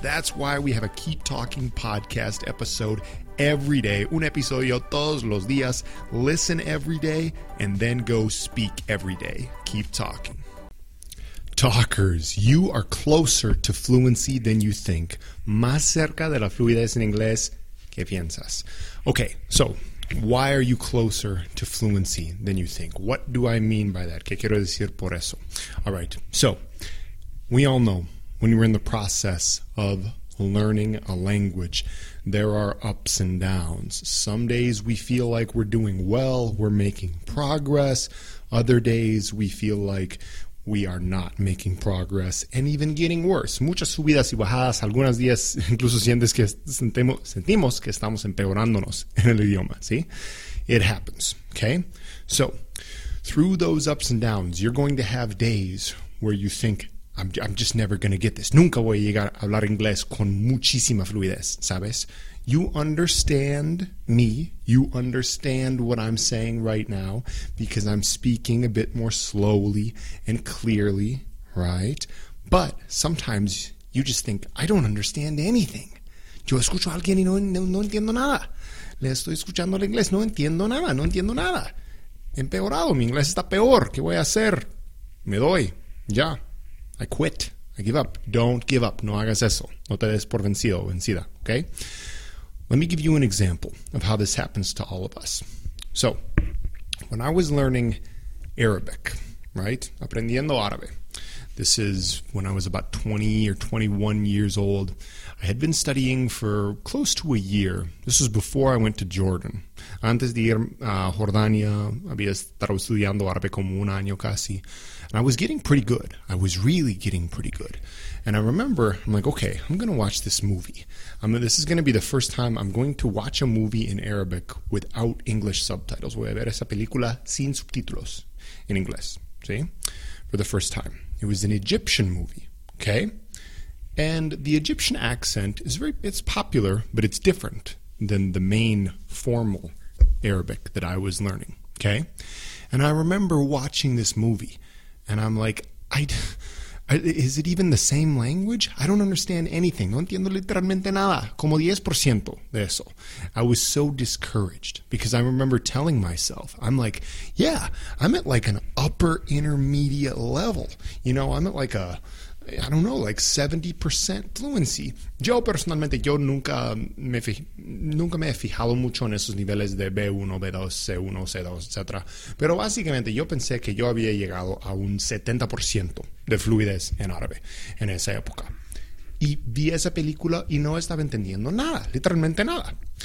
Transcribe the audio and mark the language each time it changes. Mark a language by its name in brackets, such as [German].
[English] That's why we have a Keep Talking Podcast episode every day. [Spanish] Un episodio todos los días. [English] Listen every day and then go speak every day. Keep talking. Talkers, you are closer to fluency than you think. [Spanish] Más cerca de la fluidez en inglés que piensas. [English] Okay, so why are you closer to fluency than you think? What do I mean by that? [Spanish] ¿Qué quiero decir por eso? [English] All right, so we all know when you're in the process of learning a language, there are ups and downs. Some days we feel like we're doing well, we're making progress. Other days we feel like we are not making progress and even getting worse. [Spanish] Muchas subidas y bajadas, algunos días incluso sientes que sentimos que estamos empeorándonos en el idioma, ¿sí? [English] It happens, okay? So, through those ups and downs, you're going to have days where you think, I'm just never going to get this. [Spanish] Nunca voy a llegar a hablar inglés con muchísima fluidez, ¿sabes? [English] You understand me. You understand what I'm saying right now because I'm speaking a bit more slowly and clearly, right? But sometimes you just think, I don't understand anything. [Spanish] Yo escucho a alguien y no entiendo nada. Le estoy escuchando el inglés. No entiendo nada. No entiendo nada. Empeorado. Mi inglés está peor. ¿Qué voy a hacer? Me doy. Ya. [English] I quit. I give up. Don't give up. [Spanish] No hagas eso. No te des por vencido o vencida. Okay? [English] Let me give you an example of how this happens to all of us. So, when I was learning Arabic, right? [Spanish] Aprendiendo árabe. [English] This is when I was about 20 or 21 years old. I had been studying for close to a year. This was before I went to Jordan. [Spanish] Antes de ir a Jordania, había estado estudiando árabe como un año casi. [English] And I was getting pretty good. I was really getting pretty good. And I remember, I'm like, okay, I'm going to watch this movie. This is going to be the first time I'm going to watch a movie in Arabic without English subtitles. [Spanish] Voy a ver esa película sin subtítulos en inglés. [English] See? For the first time. It was an Egyptian movie, okay? And the Egyptian accent is it's popular, but it's different than the main formal Arabic that I was learning, okay? And I remember watching this movie, and I'm like, is it even the same language? I don't understand anything. [Spanish] No entiendo literalmente nada. Como 10% de eso. [English] I was so discouraged because I remember telling myself, I'm like, yeah, I'm at like an upper intermediate level. You know, I'm at like a, I don't know, like 70% fluency. [Spanish] Yo personalmente, yo nunca me he fijado mucho en esos niveles de B1, B2, C1, C2, etc. Pero básicamente yo pensé que yo había llegado a un 70% de fluidez en árabe en esa época. Y vi esa película y no estaba entendiendo nada, literalmente nada.